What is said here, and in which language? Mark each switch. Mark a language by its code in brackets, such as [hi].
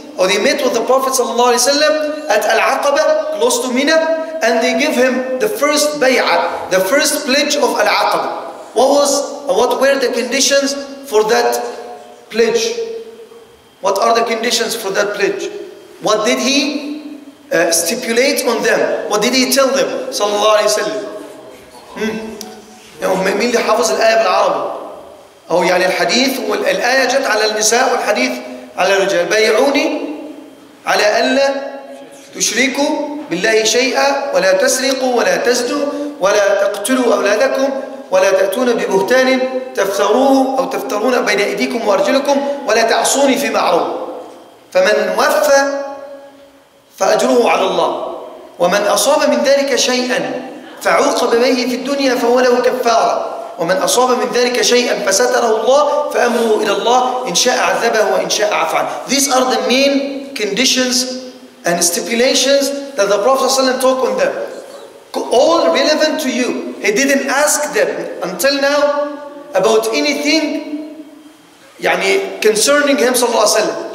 [en] or they met with the Prophet ﷺ at Al-Aqaba, close to Mina, and they give him the first bay'ah, the first pledge of Al-Aqaba. What were the conditions for that pledge? What are the conditions for that pledge? What did he stipulate on them? What did he tell them? Sallallahu alayhi wa sallam. [ar] مين اللي حافظ الآية بالعربي؟ أو يعني الحديث والآية جت على النساء والحديث على الرجال. بايعوني على ألا تشركوا بالله شيئا ولا تسرقوا ولا تزنوا ولا تقتلوا أولادكم ولا تأتون ببهتان تفترون بين أيديكم وأرجلكم ولا تعصوني في معروف. فمن وفى فأجره على الله ومن أصاب من ذلك شيئا فعوقب به في الدنيا فهو له كفارة ومن أصاب من ذلك شيئا فستره الله فأمره إلى الله إن شاء عذبه وإن شاء عفاه. [en] These are the main conditions and stipulations that the Prophet ﷺ talked on them. All relevant to you. He didn't ask them until now about anything يعني concerning him [ar] صلى الله عليه وسلم.